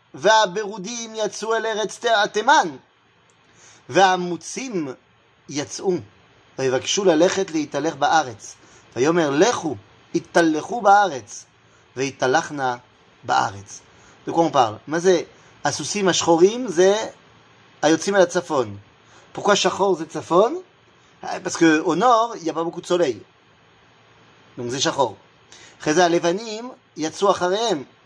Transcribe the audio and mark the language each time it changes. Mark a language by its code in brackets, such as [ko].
[he] והברודים יצאו אל ארץ התימן והמוצים יצאו ויבקשו ללכת להתהלך בארץ ויאמר לכו התהלכו בארץ והתהלכנה בארץ. [fr] De quoi on parle? [he] מה זה הסוסים השחורים? זה היוצאים אל הצפון. [fr] Pourquoi [he] שחור זה צפון? [fr] Parce que au nord il y a pas beaucoup de soleil, donc [he] זה שחור. אחרי זה הלבנים יצאו אחריהם.